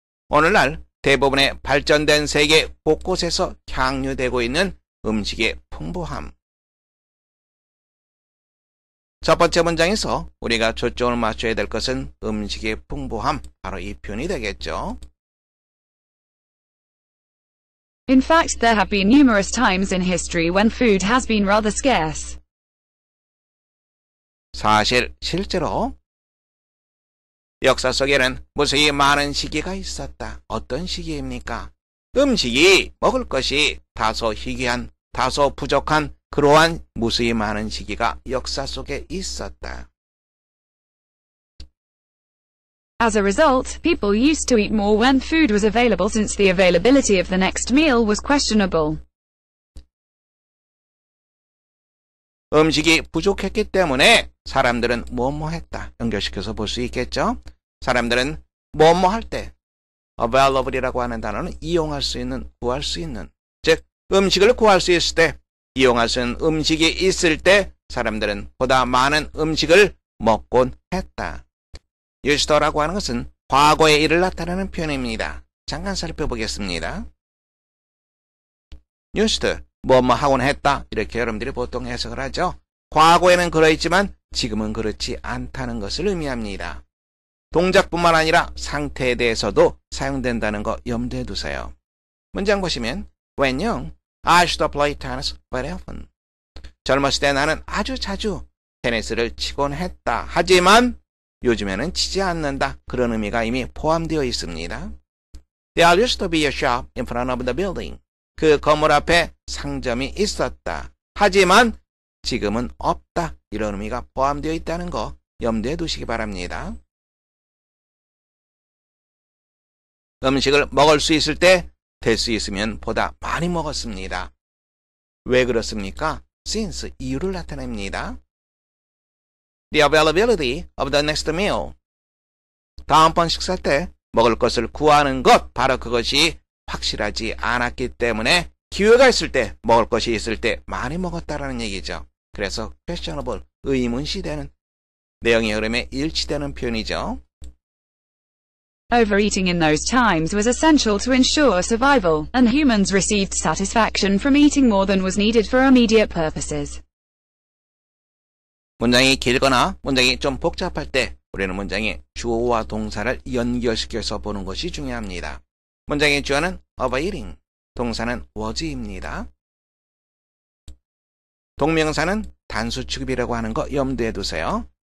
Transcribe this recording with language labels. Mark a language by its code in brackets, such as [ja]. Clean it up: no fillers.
[ko] 오늘날 대부분의 발전된 세계 곳곳에서 향유되고 있는 음식의 풍부함. 첫 번째 문장에서 우리가 초점을 맞춰야 될 것은 음식의 풍부함. 바로 이 표현이 되겠죠. [en] In fact, there have been numerous times in history when food has been rather scarce. [ko] 사실 실제로 역사 속에는 무수히 많은 시기가 있었다. 어떤 시기입니까? 음식이 먹을 것이 다소 희귀한, 다소 부족한 그러한 무수히 많은 시기가 역사 속에 있었다. [en] As a result, people used to eat more when food was available since the availability of the next meal was questionable. [ko] 음식이 부족했기 때문에 사람들은 뭐뭐 했다. 연결시켜서 볼 수 있겠죠? 사람들은 뭐뭐 할 때 available이라고 하는 단어는 이용할 수 있는, 구할 수 있는, 즉 음식을 구할 수 있을 때, 이용할 수 있는 음식이 있을 때 사람들은 보다 많은 음식을 먹곤 했다. used to라고 하는 것은 과거의 일을 나타내는 표현입니다. 잠깐 살펴보겠습니다. used to, 뭐뭐 하곤 했다. 이렇게 여러분들이 보통 해석을 하죠. 과거에는 그러했지만 지금은 그렇지 않다는 것을 의미합니다. 동작뿐만 아니라 상태에 대해서도 사용된다는 거 염두에 두세요. 문장 보시면 [en] When young, I used to play tennis very often. [ko] 젊었을 때 나는 아주 자주 테니스를 치곤 했다. 하지만 요즘에는 치지 않는다. 그런 의미가 이미 포함되어 있습니다. [en] There used to be a shop in front of the building. [ko] 그 건물 앞에 상점이 있었다. 하지만 지금은 없다. 이런 의미가 포함되어 있다는 거 염두에 두시기 바랍니다. 음식을 먹을 수 있을 때 될 수 있으면 보다 많이 먹었습니다. 왜 그렇습니까? since 이유를 나타냅니다. [en] The availability of the next meal. [ko] 다음번 식사 때 먹을 것을 구하는 것, 바로 그것이 확실하지 않았기 때문에 기회가 있을 때, 먹을 것이 있을 때 많이 먹었다라는 얘기죠. 그래서 questionable, 의문시되는 내용의 흐름에 일치되는 표현이죠. [en] Overeating in those times was essential to ensure survival, and humans received satisfaction from eating more than was needed for immediate purposes. [ko] 문장이 길거나 문장이 좀 복잡할 때 우리는 문장의 주어와 동사를 연결시켜서 보는 것이 중요합니다. 문장의 주어는 overeating, 동사는 was입니다. 동명사는 단수 취급이라고 하는 거 염두에 두세요.